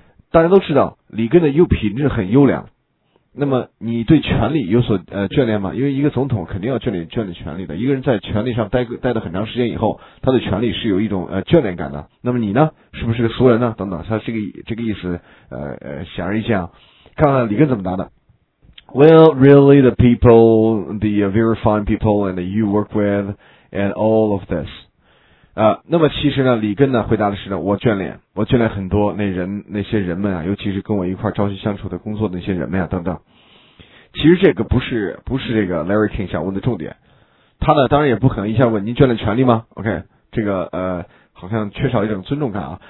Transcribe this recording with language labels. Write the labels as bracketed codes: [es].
[zh] 大家都知道里根的品质很优良。那么你对权力有所眷恋吗？因为一个总统肯定要眷恋权力的。一个人在权力上待了很长时间以后，他对权力是有一种眷恋感的。那么你呢，是不是个俗人呢等等，他这个意思显而易见啊。看看里根怎么答的。 [en] Well, really, the people, the very fine people and you work with and all of this. [zh] 那么其实呢里根呢回答的是呢，我眷恋很多那些人们啊，尤其是跟我一块朝夕相处的工作的那些人们啊等等。其实这个不是这个 Larry King 想问的重点。他呢当然也不可能一下问您眷恋权利吗？ OK， 这个好像缺少一种尊重感啊。